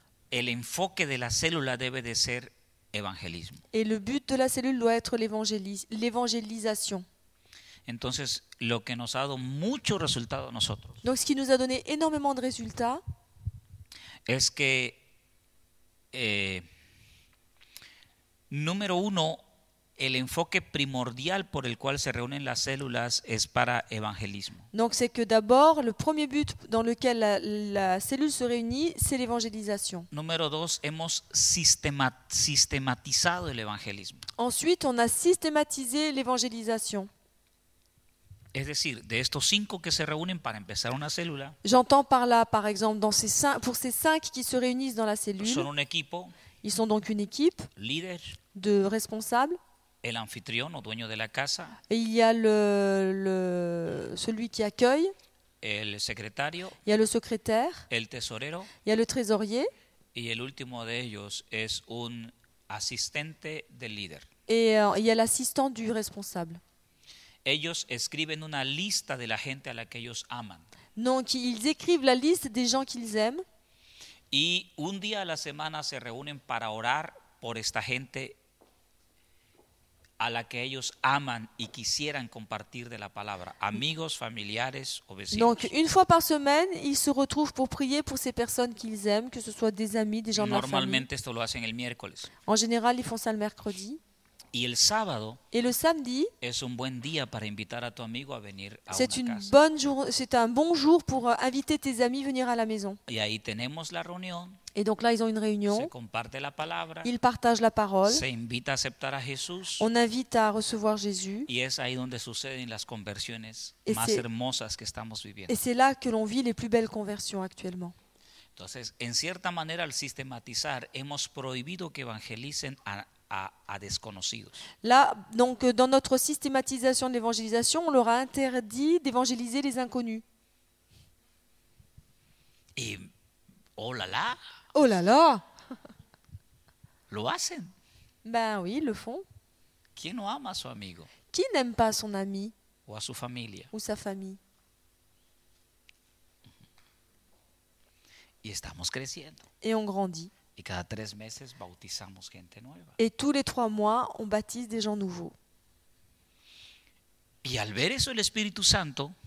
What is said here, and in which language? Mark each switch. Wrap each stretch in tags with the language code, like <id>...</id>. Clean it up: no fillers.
<es>El enfoque de la célula debe de ser evangelismo.</es> <fr>Et le but de la cellule doit être l'évangélisation.</fr> <es>Entonces, lo que nos ha dado mucho resultado a nosotros.</es> <fr>Donc ce qui nous a donné énormément de résultats.</fr> <es>Es que número uno, el enfoque primordial por el cual se reúnen las células es para evangelismo.</es> <fr>Donc c'est que d'abord le premier but dans lequel la cellule se réunit, c'est l'évangélisation.</fr> <es>Número dos, hemos sistematizado el evangelismo.</es> <fr>Ensuite, on a systématisé l'évangélisation.</fr> <es>Es decir, de estos 5 que se reúnen para empezar una célula.</es> <fr>J'entends par là, par exemple, dans ces 5, pour ces 5 qui se réunissent dans la cellule.</fr> <es>Son un equipo.</es> <fr>Ils sont donc une équipe.</fr> <es>Líder.</es> <fr>De responsables.</fr> <es>El anfitrión o dueño de la casa.</es> <fr>Et il y a celui qui accueille.</fr> <es>El secretario.</es> <fr>Il y a le secrétaire.</fr> <es>El tesorero.</es> <fr>Il y a le trésorier.</fr> <es>Y el último de ellos es un asistente del líder.</es> <fr>Et il y a l'assistant du responsable.</fr> <es>Ellos escriben una lista de la gente a la que ellos aman.</es> <fr>Donc ils écrivent la liste des gens qu'ils aiment.</fr> <es>Y un día a la semana se reúnen para orar por esta gente a la que ellos aman y quisieran compartir de la palabra, amigos, familiares o vecinos.</es> <fr>Donc une fois par semaine, ils se retrouvent pour prier pour ces personnes qu'ils aiment, que ce soit des amis, des gens de la famille.</fr> <es>Normalmente esto lo hacen el miércoles.</es> <fr>En général, ils font ça le mercredi.</fr> <es>Y el sábado.</es> <fr>Et le samedi.</fr> <es>Es un buen día para invitar a tu amigo a venir a una casa.</es> <fr>C'est une bonne journée, c'est un bon jour pour inviter tes amis à venir à la maison.</fr> <es>Y ahí tenemos la reunión.</es> <fr>Et donc là ils ont une réunion.</fr> <es>Se comparte la palabra.</es> <fr>Ils partagent la parole.</fr> <es>Se invita a aceptar a Jesús.</es> <fr>On invite à recevoir Jésus.</fr> <es>Y es ahí donde suceden las conversiones más hermosas que estamos viviendo.</es> <fr>Et c'est là que l'on vit les plus belles conversions actuellement.</fr> <es>Entonces, en cierta manera al sistematizar hemos prohibido que evangelicen a desconocidos.</es> <fr>Là, donc, dans notre systématisation de l'évangélisation, on leur a interdit d'évangéliser les inconnus. Et, oh là là! Oh là là!</fr> <es>Lo hacen.</es> <fr>Ben oui, ils le font.</fr> <es>¿Quién no ama a su amigo?</es> <fr>Qui n'aime pas son ami?</fr> <es>O a su familia.</es> <fr>Ou sa famille.</fr> <es>Y estamos creciendo.</es> <fr>Et on grandit.</fr> <es>Y cada 3 meses bautizamos gente nueva.</es> <fr>Et tous les 3 mois, on baptise des gens nouveaux.</fr> <es>Y al ver eso el Espíritu Santo,</es>